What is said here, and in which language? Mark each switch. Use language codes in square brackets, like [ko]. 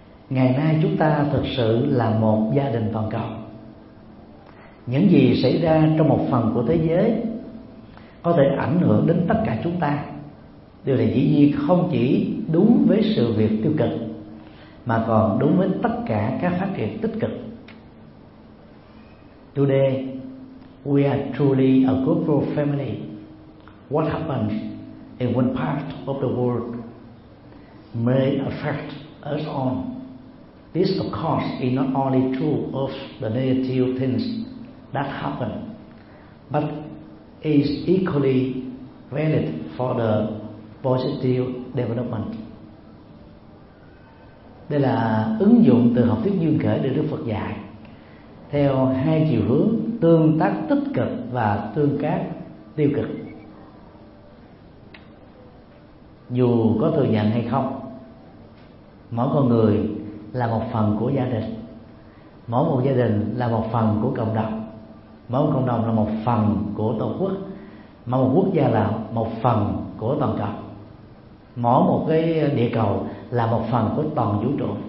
[vi] Ngày nay chúng ta thực sự là một gia đình toàn cầu. Những gì xảy ra trong một phần của thế giới có thể ảnh hưởng đến tất cả chúng ta. Điều này dĩ nhiên không chỉ đúng với sự việc tiêu cực mà còn đúng với tất cả các phát triển tích cực. [en] Today we are truly a global family. What happens in one part of the world may affect us all. This of course is not only true of the negative things that happen, but is equally valid for the positive development. [vi] Đây là ứng dụng từ học thuyết duyên khởi được Đức Phật dạy theo hai chiều hướng tương tác tích cực và tương tác tiêu cực. Dù có thừa nhận hay không, mỗi con người là một phần của gia đình, mỗi một gia đình là một phần của cộng đồng, mỗi một cộng đồng là một phần của tổ quốc, mỗi một quốc gia là một phần của toàn cầu, mỗi một cái địa cầu là một phần của toàn vũ trụ.